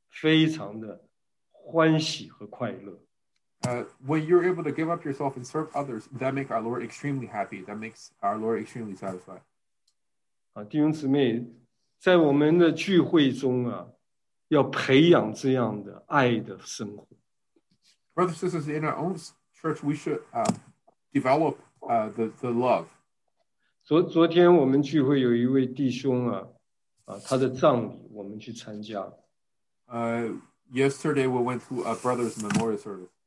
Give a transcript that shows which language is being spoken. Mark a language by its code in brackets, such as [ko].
[zh] 这个是极其美丽的，这叫我们的主的心非常的欢喜和快乐。 [en] When you're able to give up yourself and serve others, that makes our Lord extremely happy. That makes our Lord extremely satisfied. [zh] 弟兄姊妹，在我们的聚会中啊。要培养这样的爱的生活。 [en] Brothers and sisters, in our own church, we should develop the love. [zh] 昨天我们聚会有一位弟兄啊，他的葬礼我们去参加。 [en] Yesterday we went to a brother's memorial service.